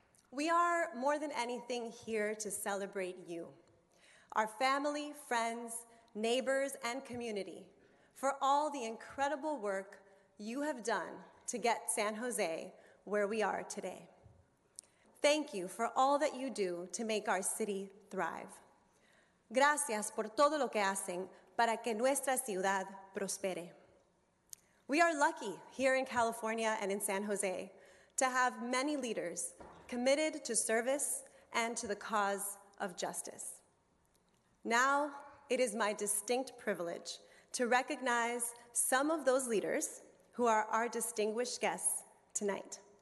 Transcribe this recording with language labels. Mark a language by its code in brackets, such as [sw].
[en] We are more than anything here to celebrate you, our family, friends, neighbors, and community, for all the incredible work you have done to get San Jose where we are today. Thank you for all that you do to make our city thrive. [es] Gracias por todo lo que hacen para que nuestra ciudad prospere. [en] We are lucky here in California and in San Jose to have many leaders committed to service and to the cause of justice. Now, it is my distinct privilege to recognize some of those leaders who are our distinguished guests tonight.